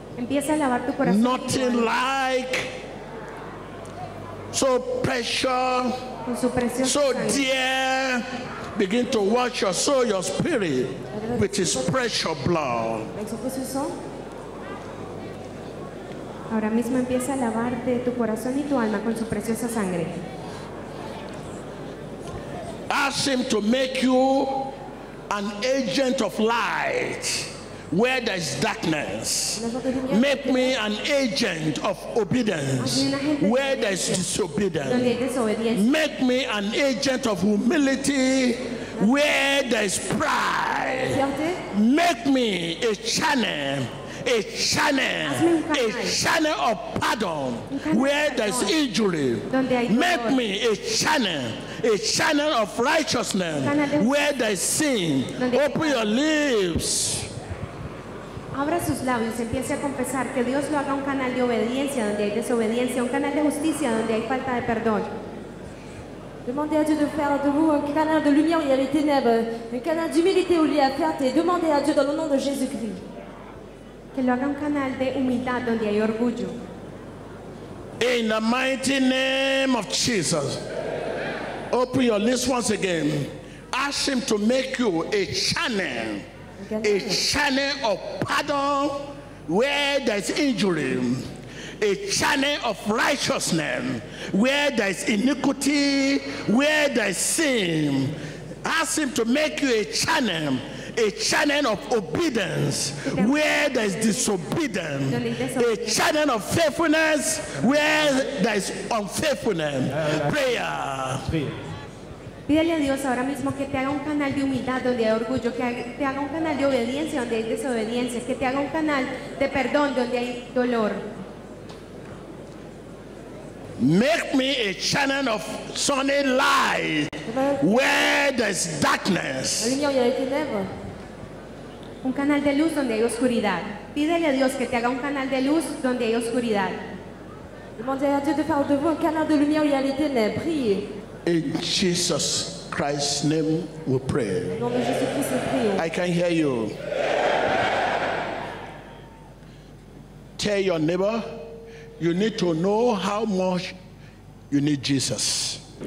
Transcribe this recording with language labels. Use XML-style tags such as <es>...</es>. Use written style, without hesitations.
<en>Nothing like so precious, so dear. Begin to wash your soul, your spirit, with his precious blood.</en> <es>Ahora mismo empieza a lavarte tu corazón y tu alma con su preciosa sangre.</es> <en>Ask him to make you an agent of light where there is darkness. Make me an agent of obedience where there is disobedience. Make me an agent of humility where there is pride. Make me a channel of pardon where there is injury. Make me a channel of righteousness where there is sin. Open your lips.</en> <es>Abra sus labios y empiece a confesar que Dios lo haga un canal de obediencia donde hay desobediencia, un canal de justicia donde hay falta de perdón.</es> <fr>Demandez à Dieu de faire de vous un canal de lumière où il y a les ténèbres, un canal d'humilité où il y a fierté. Demandez à Dieu dans le nom de Jésus-Christ que</fr> <es>lo haga un canal de humildad donde hay orgullo.</es> <en>In the mighty name of Jesus, open your lips once again. Ask him to make you a channel of pardon where there is injury, a channel of righteousness where there is iniquity, where there is sin. Ask him to make you a channel of obedience where there is disobedience, a channel of faithfulness where there is unfaithfulness. Prayer.</en> <es>Pídele a Dios ahora mismo que te haga un canal de humildad donde hay orgullo, que te haga un canal de obediencia donde hay desobediencia, que te haga un canal de perdón donde hay dolor.</es> <en>Make me a channel of sunny light where there's darkness.</en> <es>Un canal de luz donde hay oscuridad. Pídele a Dios que te haga un canal de luz donde hay oscuridad.</es> <fr>Demandez à Dieu de faire de vous un canal de lumière où il y a les ténèbres. Priez.</fr> <en>In Jesus Christ's name we pray. I can hear you. Tell your neighbor, you need to know how much you need Jesus.</en>